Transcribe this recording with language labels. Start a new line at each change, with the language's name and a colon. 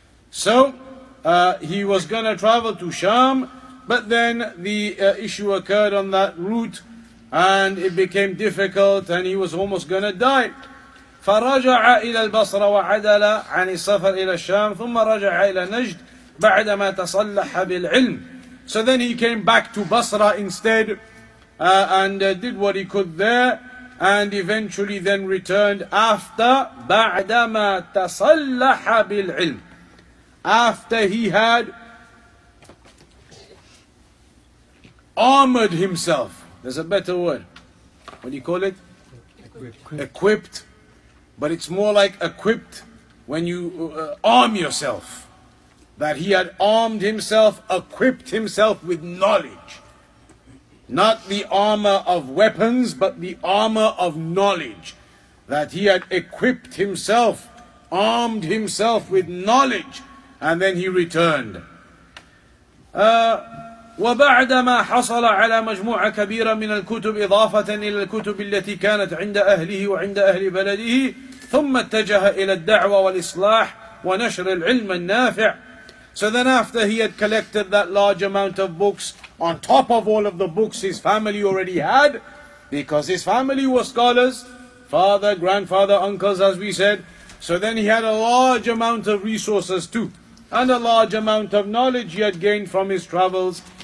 English: So he was going to travel to Sham, but then the issue occurred on that route, and it became difficult, and he was almost going to die.
Arabic: فرجع إلى البصرة وعدل عن السفر إلى الشام ثم رجع إلى نجد بعدما تصلح بالعلم.
English: So then he came back to Basra instead, did what he could there, and eventually then returned after
Arabic: بعدما تصلح بالعلم.
English: After he had armored himself. There's a better word. What do you call it? Equipped. But it's more like equipped when you arm yourself. That he had armed himself, equipped himself with knowledge. Not the armor of weapons, but the armor of knowledge. That he had equipped himself, armed himself with knowledge, and then he returned.
Arabic: وبعدما حصل على مجموعة كبيرة من الكتب إضافة إلى الكتب التي كانت عند أهله وعند أهل بلده ثم اتجه إلى الدعوة والإصلاح ونشر العلم النافع.
English: So then after he had collected that large amount of books, on top of all of the books his family already had, because his family were scholars, father, grandfather, uncles, as we said, so then he had a large amount of resources too, and a large amount of knowledge he had gained from his travels.